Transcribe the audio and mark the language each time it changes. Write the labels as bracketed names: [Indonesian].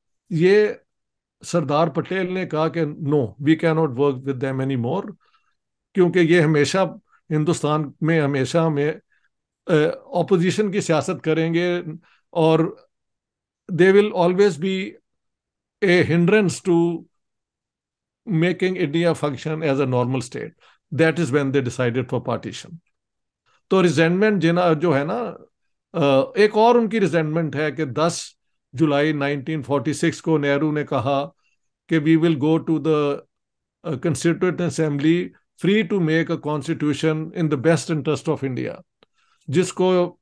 [Urdu] یہ سردار پٹیل نے کہا کہ [English] no, we can not work with them any more, [Urdu] کیونکہ یہ ہمیشہ ہندوستان میں ہمیشہ ہمیں اپوزیشن کی سیاست کریں گے اور [English] They will always be a hindrance to making India function as a normal state. That is when they decided for partition. [Urdu] تو ریزینٹمنٹ جو ہے نا، ایک اور ان کی ریزینٹمنٹ ہے کہ 10 جولائی 1946 کو نہرو نے کہا کہ [English] we will go to the constituent assembly free to make a constitution in the best interest of India, [Urdu] جس کو